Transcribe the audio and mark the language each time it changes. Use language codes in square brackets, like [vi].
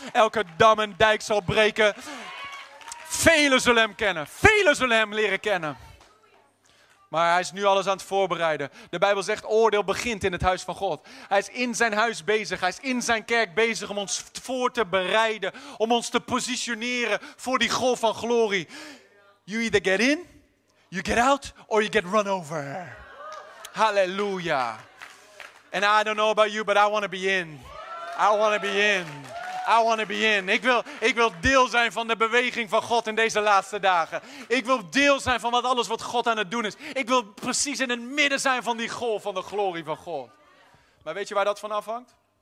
[nl] Elke dam en dijk zal breken. Velen zullen hem kennen. Velen zullen hem leren kennen. Maar hij is nu alles aan het voorbereiden. De Bijbel zegt, oordeel begint in het huis van God. Hij is in zijn huis bezig. Hij is in zijn kerk bezig om ons voor te bereiden. Om ons te positioneren voor die golf van glorie. [en] You either get in, you get out, or you get run over. Halleluja. And I don't know about you, but I want to be in. I want to be in. I want to be in. [nl] Ik wil deel zijn van de beweging van God in deze laatste dagen. Ik wil deel zijn van alles wat God aan het doen is. Ik wil precies in het midden zijn van die golf van de glorie van God. Maar weet je waar dat van afhangt?